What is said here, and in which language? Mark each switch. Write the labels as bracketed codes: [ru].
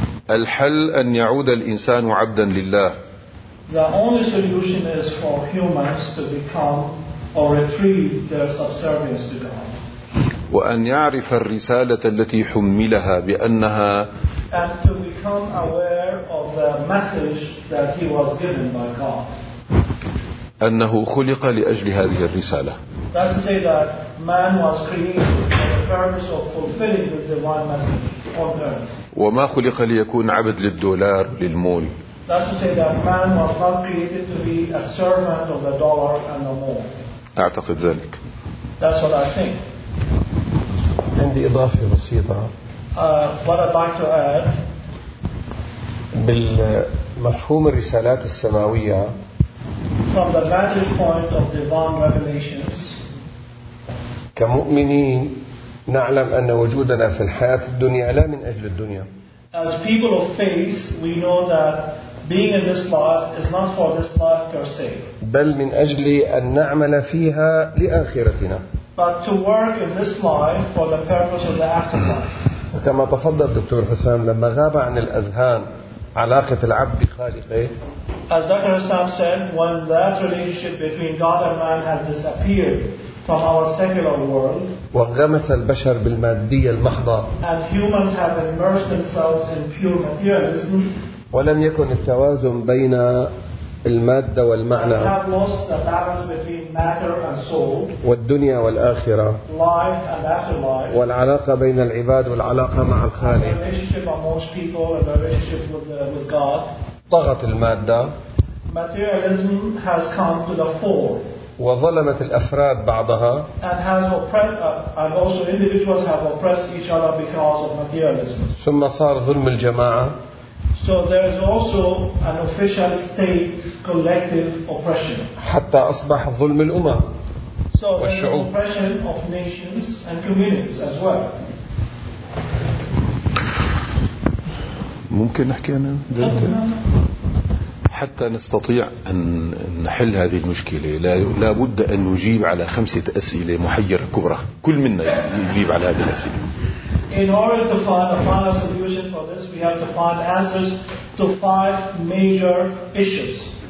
[ar] الحل أن يعود الإنسان عبدا لله. [en] The only solution is for humans to become or retrieve their subservience to God. [ar] وأن يعرف الرسالة التي حملها بأنها [en] and to become aware of the message that he was given by God. [ar] أنه خلق لأجل هذه الرسالة. [en] That's to say that man was created for the purpose of fulfilling the divine message on earth. [ar] وما خلق ليكون عبد للدولار للمول. [en] That's to say that man was not created to be a servant of the dollar and the mole. [ar] أعتقد ذلك. [en] That's what I think. [ar] عندي إضافة بسيطة. [en] what I'd like to add. [ar] بالمفهوم الرسالات السماوية. [en] From the vantage point of divine revelations. [ar] كمؤمنين نعلم أن وجودنا في الحياة الدنيا لا من أجل الدنيا. [en] As people of faith, we know that being in this life is not for this life per se. [ar] بل من أجل أن نعمل فيها لآخرتنا. [en] But to work in this life for the purpose of the afterlife. [ar] كما تفضل دكتور حسام لما غاب عن الأذهان علاقة العبد بخالقه. [en] As Dr. Hassam said, when that relationship between God and man has disappeared from our secular world. [ar] وانغمس البشر بالمادية المحضة. [en] And humans have immersed themselves in pure materialism. [ar] ولم يكن التوازن بين المادة والمعنى. [en] And have lost the balance between matter and soul. [ar] والدنيا والآخرة. [en] Life and afterlife. [ar] والعلاقة بين العباد والعلاقة مع الخالق. [en] And the relationship amongst people and the relationship with God. [ar] طغت المادة. [en] Materialism has come to the fore. [ar] وظلمت الأفراد بعضها. [en] And has oppressed, and also individuals have oppressed each other because of materialism. [ar] ثم صار ظلم الجماعة. [en] So there is also an official state collective oppression. [ar] حتى أصبح ظلم الأمم والشعوب. [en] So there is oppression of nations and communities as well. [ar] ممكن نحكي أنا دلوقتي. حتى نستطيع أن نحل هذه المشكلة لا بد أن نجيب على 5 أسئلة محيرة كبرى. كل منا يجيب على هذه الأسئلة. [en] In order to find a final solution for this, we have to find answers to 5 major issues.